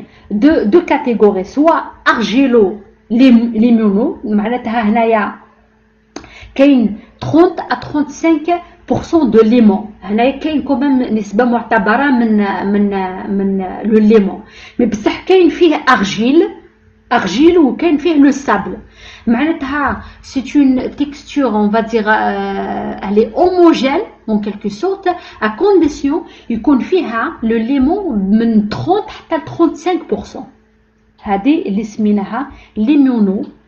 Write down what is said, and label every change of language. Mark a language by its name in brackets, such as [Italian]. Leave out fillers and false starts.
[French] Deux catégories, soit argilo-limono, معناتها هنايا كاين 30 à 35% de limon. [Arabic] هنايا كاين quand même نسبة معتبرة من le limon. [French] Mais بصح كاين فيه argile ou كاين فيه le sable. معناتها c'est une texture, on va dire, elle est homogène en quelque sorte, à condition qu'il confie le limon de 30 à 35%. هذه اللي سميناها ليمونو